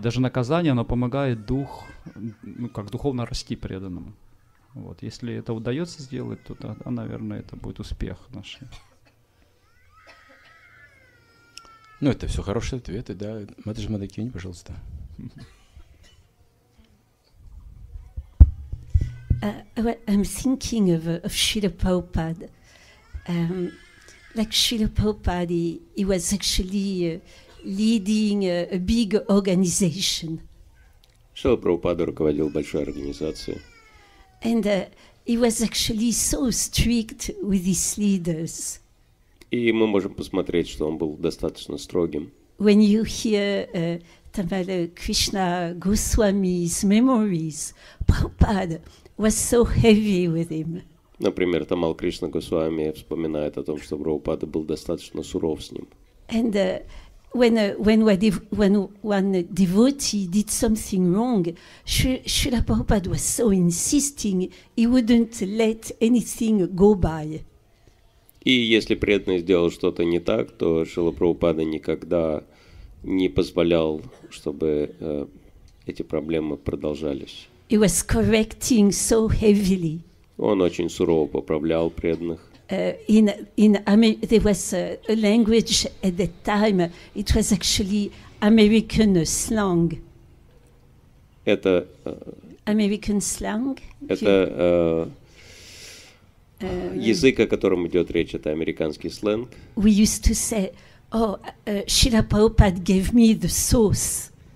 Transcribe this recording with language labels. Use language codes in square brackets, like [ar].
[ru] Даже наказание, оно помогает дух, ну, как духовно расти преданному. Вот. Если это удается сделать, то тогда, наверное, это будет успех наш. Ну, это все хорошие ответы, да. Матаджи Мадакини, пожалуйста. [en] I'm thinking of Srila Prabhupada. Like Srila Prabhupada, he was actually leading a big organization. [ru] Srila Prabhupada руководил большой организацией. [en] And he was actually so strict with his leaders. [ru] И мы можем посмотреть, что он был достаточно строгим. [en] When you hear Tamala Krishna Goswami's memories, Prabhupada was so heavy with him. [ru] Например, Тамал Кришна Госвами вспоминает о том, что Прабхупада был достаточно суров с ним. [en] And when one devotee did something wrong, Srila Prabhupada was so insisting, he wouldn't let anything go by. [ru] И если преданный сделал что-то не так, то Шрила Прабхупада никогда не позволял, чтобы эти проблемы продолжались. [en] He was correcting so heavily. [ru] Он очень сурово поправлял преданных. [en] There was a language at that time, it was actually American slang. [ru] Это... [en] American slang? [ru] Это... язык, о котором идет речь, это американский сленг. [en] We used to say, oh, Srila Prabhupada gave me the sauce.